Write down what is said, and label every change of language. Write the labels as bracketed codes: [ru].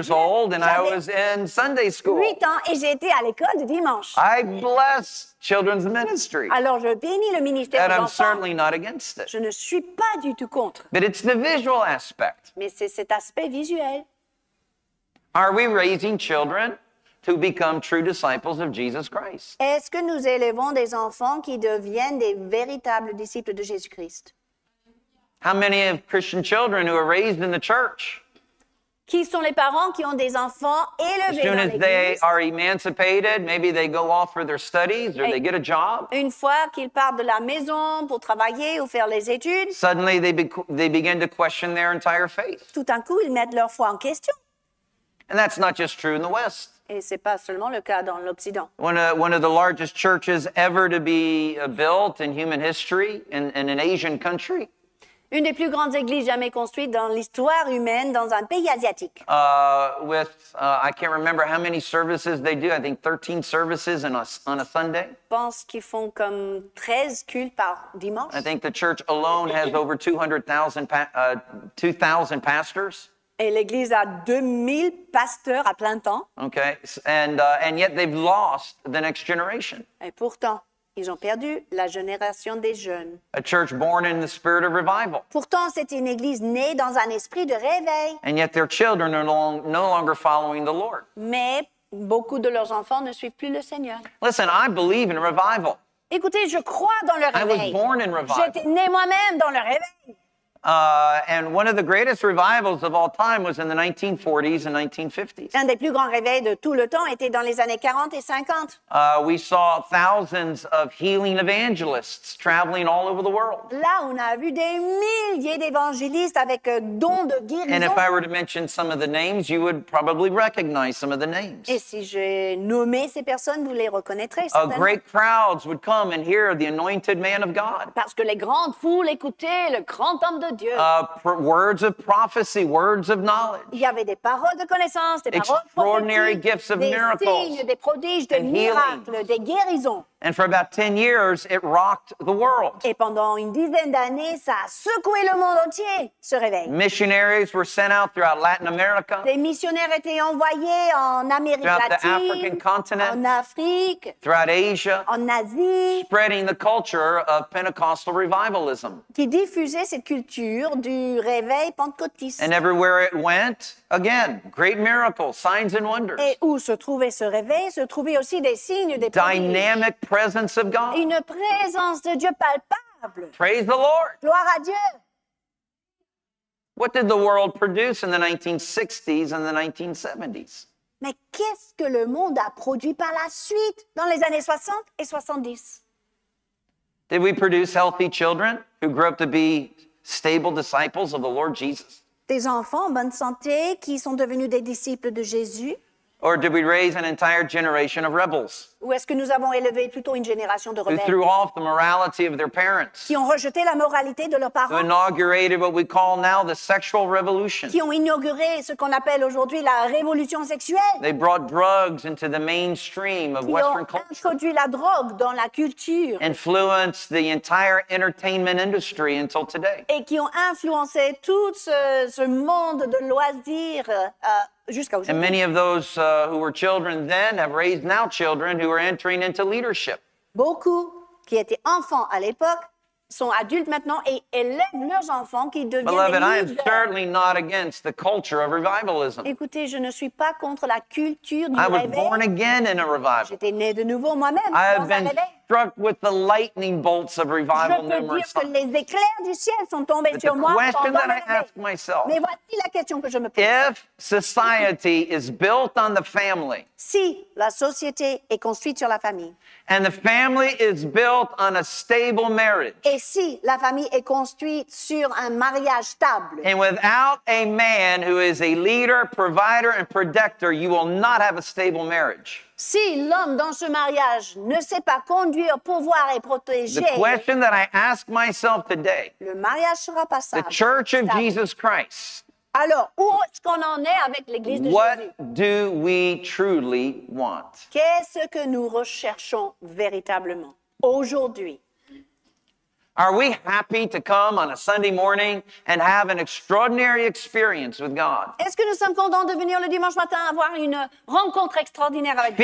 [en] I was 8 years old and I was in Sunday school. [fr] 8 ans et j'ai été à l'école de dimanche. [en] I bless children's ministry. [fr] Alors je bénis le ministère aux enfants. [en] I'm certainly not against it. [fr] Je ne suis pas du tout contre. [en] But it's the visual aspect. [fr] Mais c'est cet aspect visuel. [en] Are we raising children to become true disciples of Jesus Christ? [fr] Est-ce que nous élevons des enfants qui deviennent des véritables disciples de Jésus-Christ? [en] How many of Christian children who are raised in the church? [fr] qui sont les parents qui ont des enfants élevés dans l'église. [en] As soon as they are emancipated, maybe they go off for their studies or they get a job. [fr] Une fois qu'ils partent de la maison pour travailler ou faire les études. [en] Suddenly they begin to question their entire faith. [fr] Tout d'un coup, ils mettent leur foi en question. [en] And that's not just true in the West. [fr] Et c'est pas seulement le cas dans l'Occident. [en] One of the largest churches ever to be built in human history in an Asian country. [fr] Une des plus grandes églises jamais construites dans l'histoire humaine dans un pays asiatique. [en] I can't remember how many services they do. I think 13 services on a Sunday. [fr] Je pense qu'ils font comme 13 cultes par dimanche. [en] I think the church alone has over 2,000 pastors. [fr] Et l'église a 2,000 pasteurs à plein temps. [en] Okay, and yet they've lost the next generation. [fr] Et pourtant, ils ont perdu la génération des jeunes. [en] A church born in the spirit of revival. [fr] Pourtant, c'était une église née dans un esprit de réveil. [en] And yet their children are no longer following the Lord. [fr] Mais beaucoup de leurs enfants ne suivent plus le Seigneur. [en] Listen, I believe in revival. [fr] Écoutez, je crois dans le réveil. [en] I was born in revival. [fr] J'étais né moi-même dans le réveil. [en] And one of the greatest revivals of all time was in the 1940s and 1950s. [fr] Un des plus grands réveils de tout le temps était dans les années 40 et 50. [en] We saw thousands of healing evangelists traveling all over the world. [fr] Là, on a vu des milliers d'évangélistes avec dons de guérison. [en] And if I were to mention some of the names, you would probably recognize some of the names. [fr] Et si j'ai nommé ces personnes, vous les reconnaîtrez. [en] A great crowds would come and hear the anointed man of God. [fr] Parce que les grandes foules écoutaient le grand homme. [en] Words of prophecy, words of knowledge. [fr] Il y avait des paroles de connaissance, des paroles [en] extraordinary gifts of [fr] des miracles, signes, des prodiges, des miracles, des guérisons. [en] And for about 10 years, it rocked the world. [fr] Et pendant une dizaine d'années, ça a secoué le monde entier, ce réveil. [en] Missionaries were sent out throughout Latin America. [fr] Des missionnaires étaient envoyés en Amérique [en] throughout [fr] latine, [en] the African continent, [fr] en Afrique, [en] throughout Asia, [fr] en Asie, [en] spreading the culture of Pentecostal revivalism. [fr] Qui diffusait cette culture du réveil pentecôtiste. [en] And everywhere it went, again, great miracles, signs and wonders. [fr] Et où se trouvait ce réveil, se trouvaient aussi des signes, des prodiges. [en] Presence of God. [fr] Une présence de Dieu palpable. [en] Praise the Lord. [fr] Gloire à Dieu. [en] What did the world produce in the 1960s and the 1970s? [fr] Mais qu'est-ce que le monde a produit par la suite dans les années 60 et 70? [en] Did we produce healthy children who grew up to be stable disciples of the Lord Jesus? [fr] Des enfants en bonne santé qui sont devenus des disciples de Jésus? [en] Or did we raise an entire generation of rebels? [fr] Ou est-ce que nous avons élevé plutôt une génération de rebelles? [en] Who threw off the morality of their parents? [fr] Qui ont rejeté la moralité de leurs parents? [en] Who inaugurated what we call now the sexual revolution? [fr] Qui ont inauguré ce qu'on appelle aujourd'hui la révolution sexuelle? [en] They brought drugs into the mainstream of Western culture. [fr] Qui ont introduit la drogue dans la culture? [en] Influenced the entire entertainment industry until today. [fr] Et qui ont influencé tout ce monde de loisirs. [en] And many of those who were children then have raised now children who are entering into leadership. [fr] Beaucoup qui étaient enfants à l'époque sont adultes maintenant et élèvent leurs enfants qui deviennent des leaders. [en] Beloved, I am certainly not against the culture of revivalism. [fr] Écoutez, je ne suis pas contre la culture du réveil. [en] I was born again in a revival. [fr] J'étais né de nouveau moi-même dans un réveil. [en] I have been struck with the lightning bolts of revival numerous times. [fr] Je peux dire que les éclairs du ciel sont tombés sur moi pendant le réveil. [en] The question that I ask myself. [fr] Mais voici la question que je me pose. [en] If society is built on the family. [fr] Si la société est construite sur la famille. [en] And the family is built on a stable marriage. [fr] Et si la famille est construite sur un mariage stable. [en] And without a man who is a leader, provider, and protector, you will not have a stable marriage. [fr] Si l'homme dans ce mariage ne sait pas conduire, pourvoir et protéger. [en] The question that I ask myself today. [fr] Le mariage sera pas stable. [en] The Church of Jesus Christ. [fr] Alors, où est-ce qu'on en est avec l'Église de Jésus? [en] What do we truly want? [fr] Qu'est-ce que nous recherchons véritablement aujourd'hui? [en] Are we happy to come on a Sunday morning and have an extraordinary experience with God? [fr] Est-ce que nous sommes contents de venir le dimanche matin avoir une rencontre extraordinaire avec Dieu?